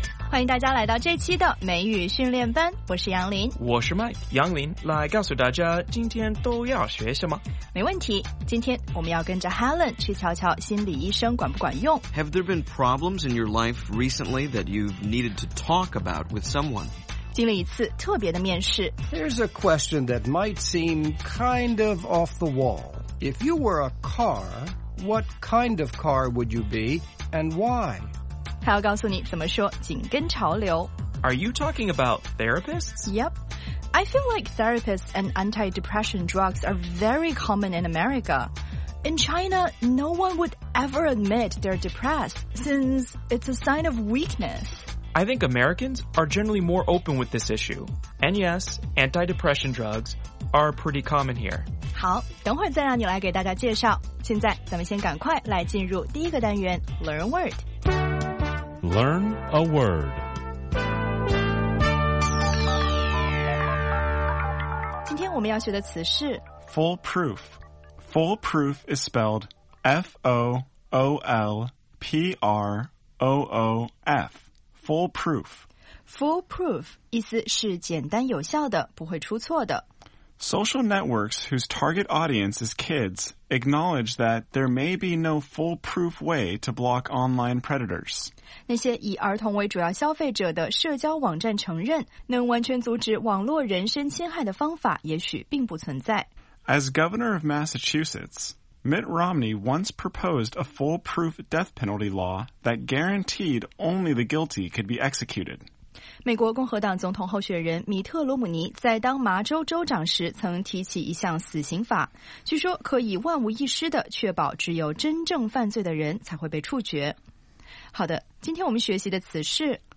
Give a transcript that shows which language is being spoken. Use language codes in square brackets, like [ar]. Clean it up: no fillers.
[zh] 欢迎大家来到这期的美语训练班，我是杨林。我是 Mike， 杨林来告诉大家今天都要学什么。没问题，今天我们要跟着 Helen 去瞧瞧心理医生管不管用。 [en] Have there been problems in your life recently that you've needed to talk about with someone? [zh] 经历一次特别的面试。 [en] Here's a question that might seem kind of off the wall. If you were a car, what kind of car would you be and why? [zh] 他要告诉你怎么说紧跟潮流。 [en] Are you talking about therapists? Yep. I feel like therapists and anti-depression drugs are very common in America. In China, no one would ever admit they're depressed since it's a sign of weakness. I think Americans are generally more open with this issue. And yes, antidepressant drugs are pretty common here. [zh] 好，等会再让你来给大家介绍。现在咱们先赶快来进入第一个单元 [en] Learn Word. Learn a word. [zh] 今天我们要学的词是 [en] Foolproof. Foolproof is spelled F-O-O-L-P-R-O-O-F. Foolproof. [zh] Foolproof 意思是简单有效的，不会出错的。 [en] Social networks whose target audience is kids acknowledge that there may be no foolproof way to block online predators. [zh] 那些以儿童为主要消费者的社交网站承认，能完全阻止网络人身侵害的方法也许并不存在。 [en] As governor of Massachusetts,Mitt Romney once proposed a foolproof death penalty law that guaranteed only the guilty could be executed. [zh] 美国共和党总统候选人米特·罗姆尼在当麻州州长时曾提起一项死刑法，据说可以万无一失地确保只有真正犯罪的人才会被处决。好的，今天我们学习的词是